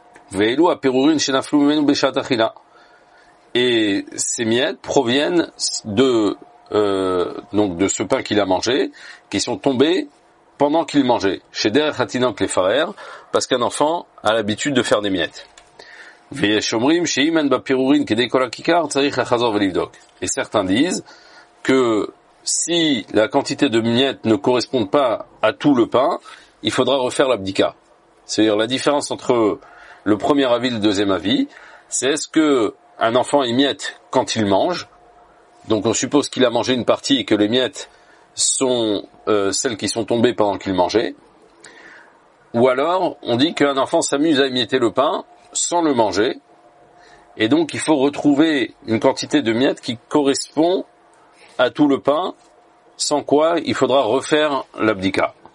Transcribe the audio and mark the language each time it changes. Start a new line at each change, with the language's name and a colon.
Hebrew: ve'elu apirurin shenaflu menu beshat achila,
French: et ces miettes proviennent de ce pain qu'il a mangé, qui sont tombés pendant qu'il mangeait, chez
Hebrew: derech hatinok lefarer,
French: parce qu'un enfant a l'habitude de faire des miettes.
Hebrew: ויש אומרים שאם אין בפירורין כדי כל הכיכר, צריך לחזור ולבדוק.
French: Et certains disent que si la quantité de miettes ne correspond pas à tout le pain, il faudra refaire l'abdika. C'est-à-dire la différence entre le premier avis et le deuxième avis, c'est est-ce que un enfant émiette quand il mange, donc on suppose qu'il a mangé une partie et que les miettes sont celles qui sont tombées pendant qu'il mangeait, ou alors on dit qu'un enfant s'amuse à émietter le pain sans le manger, et donc il faut retrouver une quantité de miettes qui correspond à tout le pain, sans quoi il faudra refaire l'abdika.